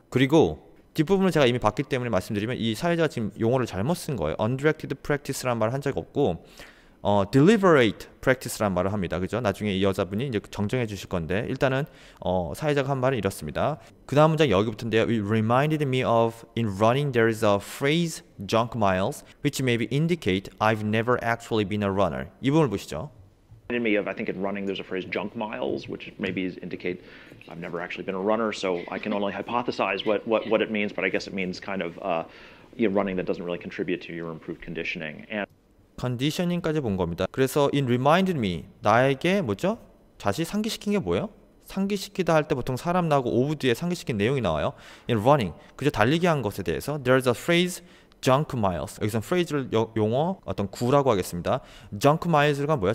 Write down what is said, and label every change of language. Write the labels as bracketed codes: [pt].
[ko] 그리고 뒷부분을 제가 이미 봤기 때문에 말씀드리면 이 사회자가 지금 용어를 잘못 쓴 거예요. Undirected practice란 말을 한적 없고, deliberate practice란 말을 합니다. 그죠? 나중에 이 여자분이 이제 정정해 주실 건데, 일단은, 사회자가 한 말은 이렇습니다. 그 다음 문장 여기부터인데요. [en] It reminded me of in running there is a phrase junk miles which maybe indicate I've never actually been a runner. [ko] 이 부분을 보시죠. [en] Me of I think in running there's a phrase junk miles which maybe indicate I've never actually been a runner so I can only hypothesize what it means but I guess it means kind of running that doesn't really contribute to your improved conditioning and [ko] 컨디셔닝까지 본 겁니다. 그래서 [en] in reminded me [ko] 나에게 뭐죠? 다시 상기시킨 게 뭐예요? 상기시키다 할때 보통 사람 나고 오브 뒤에 상기시킨 내용이 나와요. [en] in running [ko] 그저 달리기 한 것에 대해서 [en] there's a phrase junk miles [ko] 여기서 phrase를 용어 어떤 구라고 하겠습니다. junk miles가 뭐야?